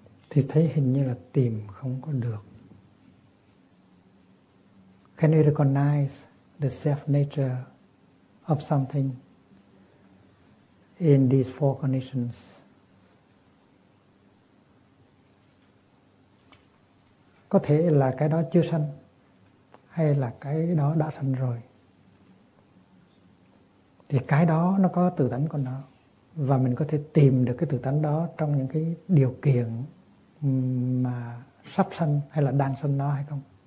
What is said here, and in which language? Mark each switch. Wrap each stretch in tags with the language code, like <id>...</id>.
<vi>Thì thấy hình như là tìm không có được.</vi> <en>Can you recognize the self nature of something in these four conditions?</en> <vi>Có thể là cái đó chưa sanh, hay là cái đó đã sanh rồi. Thì cái đó nó có tự tánh của nó, và mình có thể tìm được cái tự tánh đó trong những cái điều kiện mà sắp sanh hay là đang sanh nó hay không.</vi>